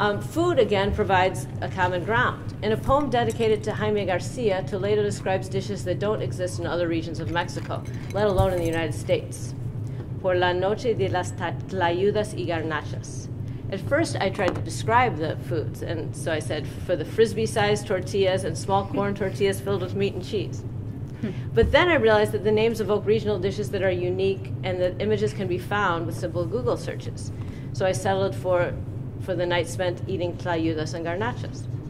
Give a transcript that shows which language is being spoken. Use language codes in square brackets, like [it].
[en] Food, again, provides a common ground. In a poem dedicated to Jaime Garcia, Toledo describes dishes that don't exist in other regions of Mexico, let alone in the United States. [es] Por la noche de las tlayudas y garnachas. [en] At first, I tried to describe the foods, and so I said, for the frisbee-sized tortillas and small corn tortillas filled with meat and cheese. But then I realized that the names evoke regional dishes that are unique and that images can be found with simple Google searches. So I settled for the night spent eating tlayudas and garnachas.